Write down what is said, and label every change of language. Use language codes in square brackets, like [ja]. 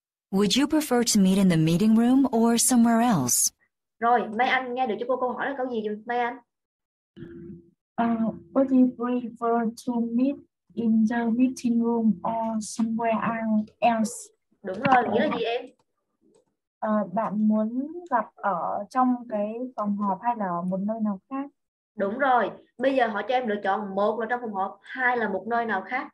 [en] Would you prefer to meet in the meeting room or somewhere else? [vi] Rồi, Mai Anh nghe được cho cô câu hỏi là câu gì rồi, Mai Anh? [en] Would you prefer to meet in the meeting room or somewhere else? [vi] Đúng rồi, nghĩa là gì em? Bạn muốn gặp ở trong cái phòng họp hay là một nơi nào khác? Đúng rồi, bây giờ họ cho em lựa chọn một là trong phòng họp, hai là một nơi nào khác.